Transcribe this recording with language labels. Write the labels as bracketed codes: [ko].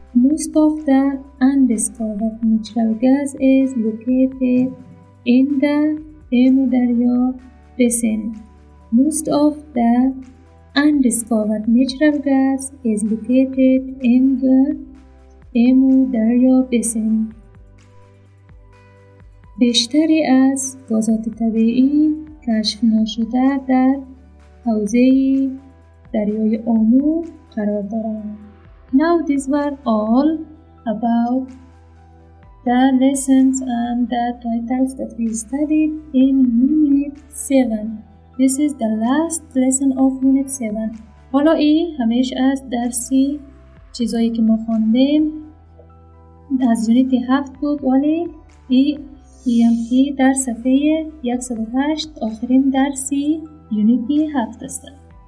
[en] Most of the undiscovered natural gas is located in the Amudarya Basin. Most of the undiscovered natural gas is located in the Amudarya Basin. [fa] بیشتری از گازات طبیعی کشف نشده در حوزه دریای آمو قرار دارند. [en] Now these were all about the lessons and the titles that we studied in Unit 7. This is the last lesson of Unit 7. [fa] حالا ای همیشه از درسی چیزایی که ما خواندیم از Unit 7 بود ولی ای بیم که در صفحه 108 آخرین درسی یونیتی 7 است.